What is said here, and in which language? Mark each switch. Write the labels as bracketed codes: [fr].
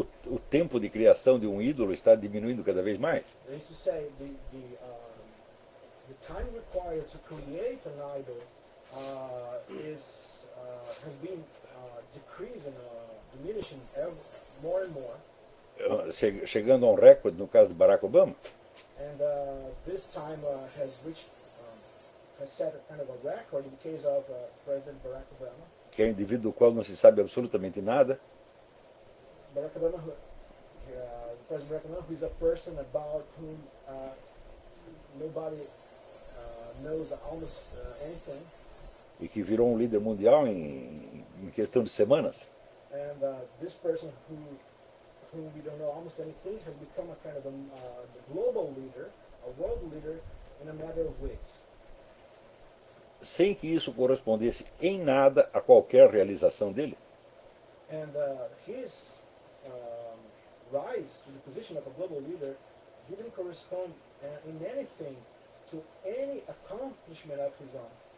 [pt] O tempo de criação de um ídolo está diminuindo cada vez mais. [en] That is to say, the time required to create an idol has been decreasing, diminishing ever more and more. [pt] Chegando a um recorde no caso de Barack Obama. [en] And this time has reached has set a kind of a record in the case of President Barack Obama. [pt] Que é um indivíduo do qual não se sabe absolutamente nada. [en] Barack Obama, President Barack Obama, who is a person about whom nobody knows almost anything. [pt] E que virou um líder mundial em questão de semanas. [en] And this person whom we don't know almost anything has become a kind of a global leader, a world leader in a matter of weeks. [pt] Sem que isso correspondesse em nada a qualquer realização dele. [en] And his rise to the position of a global leader didn't correspond in anything to any accomplishment of his own.